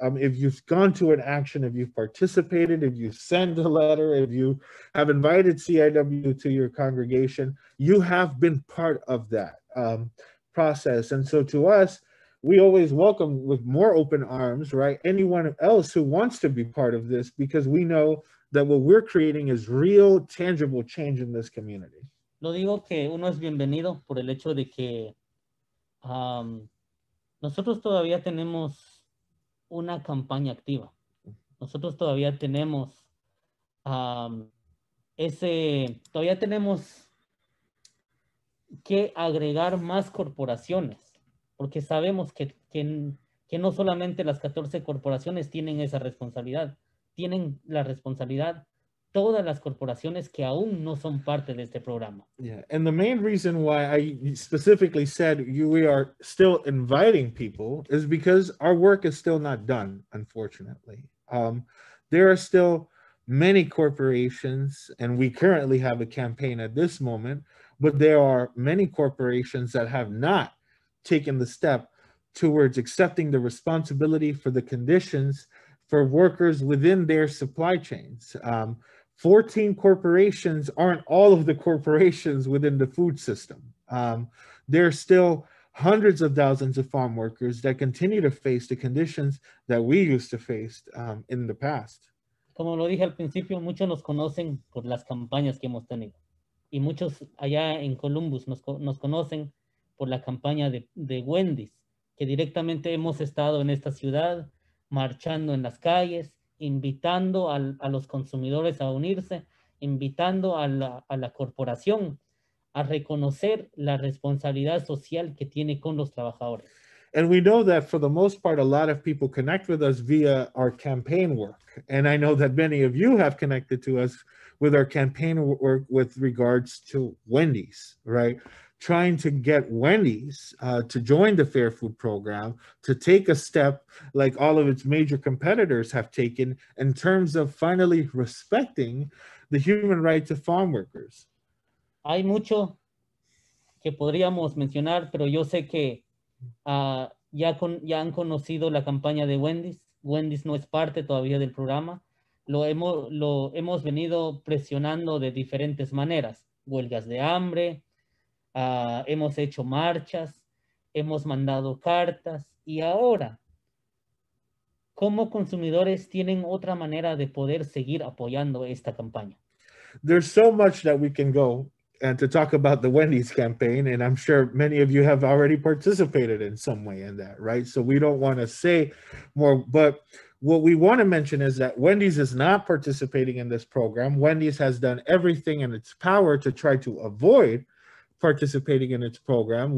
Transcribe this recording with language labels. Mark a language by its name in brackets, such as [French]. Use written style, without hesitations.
[English] If you've gone to an action, if you've participated, if you send a letter, if you have invited CIW to your congregation, you have been part of that process. And so to us, we always welcome with more open arms, right, anyone else who wants to be part of this, because we know that what we're creating is real, tangible change in this community. [Spanish] Lo digo que uno es bienvenido por el hecho de que nosotros todavía tenemos una campaña activa. Nosotros todavía tenemos que agregar más corporaciones. Porque sabemos que no solamente las 14 corporaciones tienen esa responsabilidad. Tienen la responsabilidad todas las corporaciones que aún no son parte de este programa. [English] Yeah, and the main reason why I specifically said we are still inviting people is because our work is still not done, unfortunately. There are still many corporations, and we currently have a campaign at this moment, But there are many corporations that have not taken the step towards accepting the responsibility for the conditions for workers within their supply chains. 14 corporations aren't all of the corporations within the food system. There are still hundreds of thousands of farm workers that continue to face the conditions that we used to face in the past. [Spanish] Como lo dije al principio, muchos nos conocen por las campañas que hemos tenido. Y muchos allá en Columbus nos conocen por la campaña de Wendy's, que directamente hemos estado en esta ciudad, marchando en las calles, invitando a los consumidores a unirse, invitando a la corporación a reconocer la responsabilidad social que tiene con los trabajadores. [English] And we know that for the most part, a lot of people connect with us via our campaign work. And I know that many of you have connected to us with our campaign work with regards to Wendy's, right? Trying to get Wendy's to join the Fair Food Program, to take a step like all of its major competitors have taken in terms of finally respecting the human rights of farm workers. [Spanish] Hay mucho que podríamos mencionar, pero yo sé que ya han conocido la campaña de Wendy's. Wendy's no es parte todavía del programa. Lo hemos venido presionando de diferentes maneras. Huelgas de hambre, hemos hecho marchas, hemos mandado cartas. Y ahora, ¿cómo consumidores tienen otra manera de poder seguir apoyando esta campaña? [English] There's so much that we can go and to talk about the Wendy's campaign, and I'm sure many of you have already participated in some way in that, right? So we don't want to say more, but what we want to mention is that Wendy's is not participating in this program. Wendy's has done everything in its power to try to avoid participating in its program.